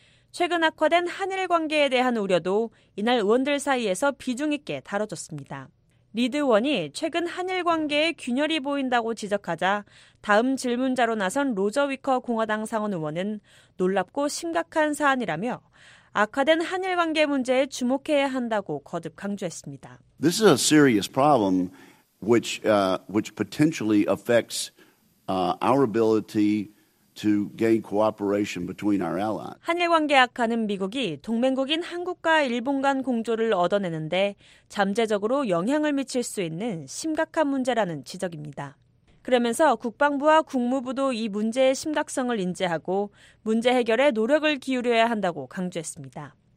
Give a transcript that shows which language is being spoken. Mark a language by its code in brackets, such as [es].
[ko] 최근 악화된 한일 관계에 대한 우려도 이날 의원들 사이에서 비중 있게 다뤄졌습니다. 리드 의원이 최근 한일 관계에 균열이 보인다고 지적하자 다음 질문자로 나선 로저 위커 공화당 상원 의원은 놀랍고 심각한 사안이라며 악화된 한일 관계 문제에 주목해야 한다고 거듭 강조했습니다. [en] This is a serious problem which potentially affects our ability to gain cooperation between our allies. [ko] 한일 관계 악화는 미국이 동맹국인 한국과 일본 간 공조를 얻어내는데 잠재적으로 영향을 미칠 수 있는 심각한 문제라는 지적입니다. 그러면서 국방부와 국무부도 이 문제의 심각성을 인지하고 문제 해결에 노력을 기울여야 한다고 강조했습니다.